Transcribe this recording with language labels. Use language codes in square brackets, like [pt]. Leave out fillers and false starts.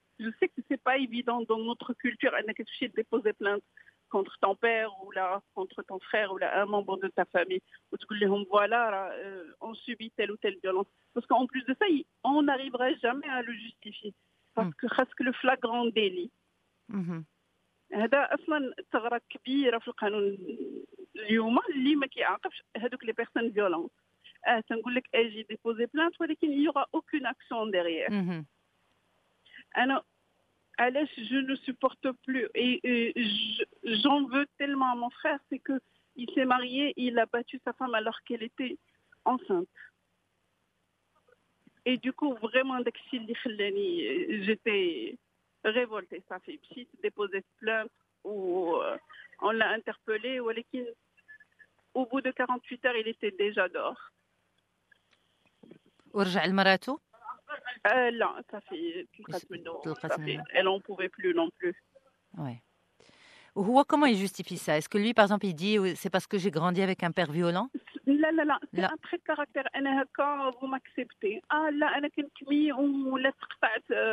[fr] Je sais que c'est pas évident dans notre culture en quelque sorte de déposer plainte contre ton père ou là contre ton frère ou là un membre de ta famille ou tout le monde voilà on subit telle ou telle violence parce qu'en plus de ça on n'arriverait jamais à le justifier parce que reste que le flagrant délit. [ar] هذا اصلا ثغره كبيره في القانون اليوم اللي ما كيعاقبش هذوك [fr] les personnes violentes. J'ai déposé plainte, mais il n'y aura aucune action derrière. Alors, je ne supporte plus. Et j'en veux tellement à mon frère, c'est qu'il s'est marié, il a battu sa femme alors qu'elle était enceinte. Et du coup, vraiment, j'étais révoltée. Ça fait pchit, déposer plainte, ou on l'a interpellé, mais au bout de 48 heures, il était déjà dehors. [ar] ورجع لمراته لا صافي تلقات منه [fr] elle en pouvait plus non plus ouais هو comment il justifie ça est-ce que lui par exemple il dit c'est parce que j'ai grandi avec un père violent [ar] لا [fr] c'est un trait de caractère [ar] انا هكا [fr] vous m'acceptez [ar] لا انا كنت كمي ولا تقطعت